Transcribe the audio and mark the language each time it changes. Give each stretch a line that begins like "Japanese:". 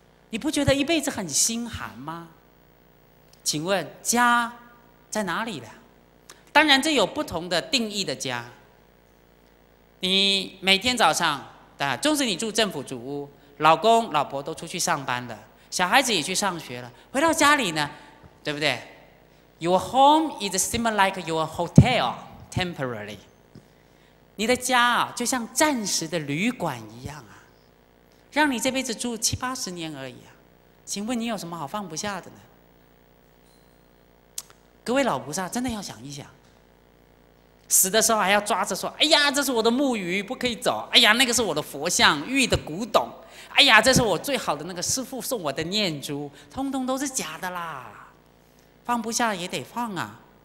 Chinese: 你不觉得一辈子很心寒吗？请问家在哪里呢？当然这有不同的定义的家。你每天早上，纵使你住政府主屋，老公老婆都出去上班了，小孩子也去上学了，回到家里呢，对不对？
English: Your home is similar like your hotel temporarily.
Chinese: 你的家啊，就像暂时的旅馆一样啊，让你这辈子住七八十年而已啊。请问你有什么好放不下的呢？各位老菩萨真的要想一想，死的时候还要抓着说，哎呀，这是我的木鱼，不可以走，哎呀，那个是我的佛像，玉的古董，哎呀，这是我最好的那个师父送我的念珠，通通都是假的啦，放不下也得放啊。